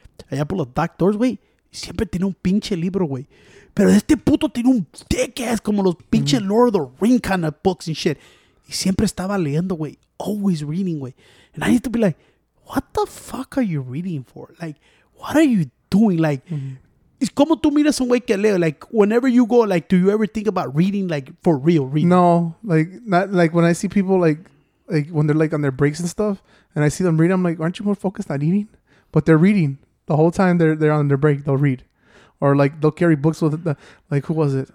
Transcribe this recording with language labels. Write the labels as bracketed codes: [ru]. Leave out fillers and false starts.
[es] Allá por los [en] back doors, [es] güey. Siempre tiene un pinche libro, güey. Pero este puto tiene un [en] thick ass [es] como los pinche Lord of the Ring [en] kind of books and shit. [es] Y siempre estaba leyendo, güey. [en] Always reading, [es] güey. [en] And I used to be like, what the fuck are you reading for? Like, what are you doing? [es] Like, es como tú miras un güey que leo. [en] Like, whenever you go, like, do you ever think about reading, like, for real reading? No. Like, not like when I see people, like when they're like on their breaks and stuff, and I see them read, I'm like, aren't you more focused on eating? But they're reading the whole time they're on their break. They'll read, or like they'll carry books with the, like, who was it?